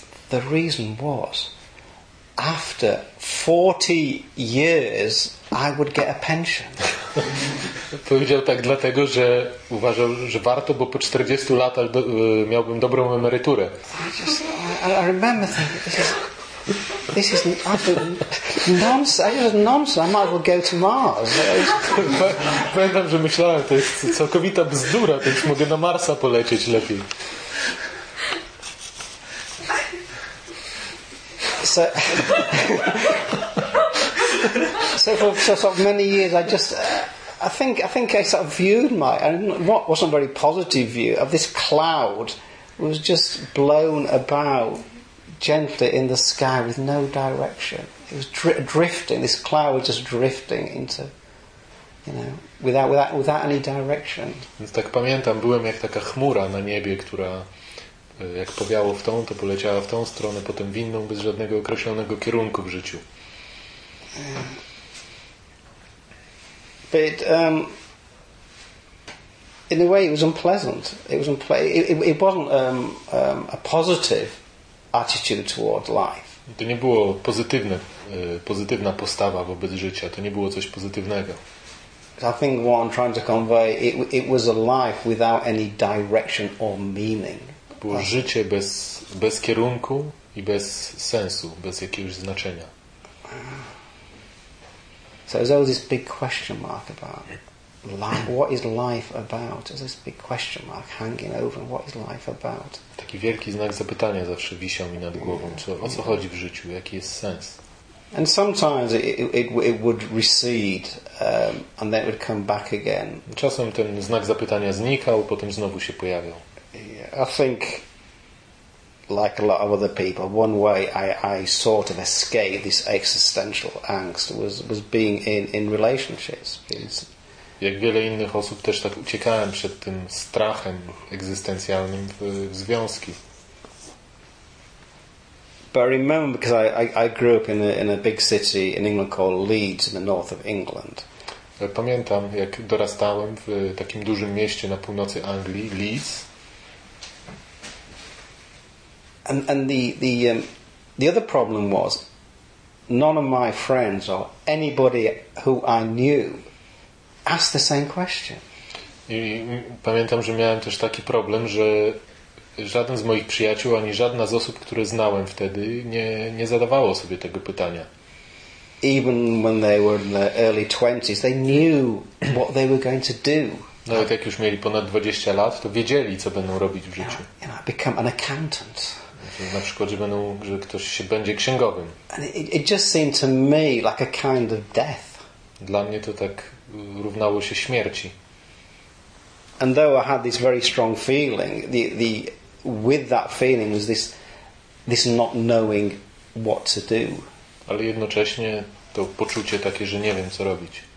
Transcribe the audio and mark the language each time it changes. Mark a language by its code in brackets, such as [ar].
[en] The reason was, after 40 years, I would get a pension. [pl] Powiedział tak dlatego, że uważał, że warto, bo po 40 latach miałbym dobrą emeryturę. [en] I remember thinking, this is absolute nonsense. This is nonsense. I might as well go to Mars. [pl] Pamiętam, że myślałem, to jest całkowita bzdura, to już mogę na Marsa polecieć lepiej. [en] So for many years, I think I viewed my, and what wasn't a very positive view of this cloud, was just blown about gently in the sky with no direction. It was drifting. This cloud was just drifting into, you know, without any direction. [pl] Więc tak pamiętam, byłem jak taka chmura na niebie, która jak powiało w tą, to poleciała w tą stronę, potem w inną, bez żadnego określonego kierunku w życiu. [en] But in a way, it was unpleasant. It wasn't a positive attitude toward life. [pl] To nie było pozytywna postawa wobec życia. To nie było coś pozytywnego. [en] I think what I'm trying to convey, it was a life without any direction or meaning. [pl] To było życie bez kierunku i bez sensu, bez jakiegoś znaczenia. [en] So there's always this big question mark about life. What is life about? There's this big question mark hanging over. What is life about? [pl] Taki wielki znak zapytania zawsze wisiał mi nad głową. O co chodzi w życiu? Jaki jest sens? [en] And sometimes it would recede, and then it would come back again. [pl] Czasem ten znak zapytania znikał, potem znowu się pojawiał. [en] Yeah, I think, like a lot of other people, one way I sort of escaped this existential angst was being in relationships. [pl] Jak wiele innych osób też tak uciekałem przed tym strachem egzystencjalnym w związki. [en] But I remember because I grew up in a big city in England called Leeds in the north of England. [pl] Pamiętam, jak dorastałem w takim dużym mieście na północy Anglii, Leeds. [en] And the other problem was none of my friends or anybody who I knew asked the same question. [pl] I pamiętam, że miałem też taki problem, że żaden z moich przyjaciół ani żadna z osób, które znałem wtedy, nie zadawało sobie tego pytania. [en] Even when they were in their early 20s, they knew what they were going to do. [pl] Nawet jak już mieli ponad 20 lat, to wiedzieli, co będą robić w życiu. [en] You know, become an accountant. [pl] Na przykład, że będą, że ktoś się będzie księgowym. [en] And it just seemed to me like a kind of death. [pl] Dla mnie to tak równało się śmierci. [en] And though I had this very strong feeling, the with that feeling was this not knowing what to do. [pl] Ale jednocześnie to poczucie takie, że nie wiem, co robić.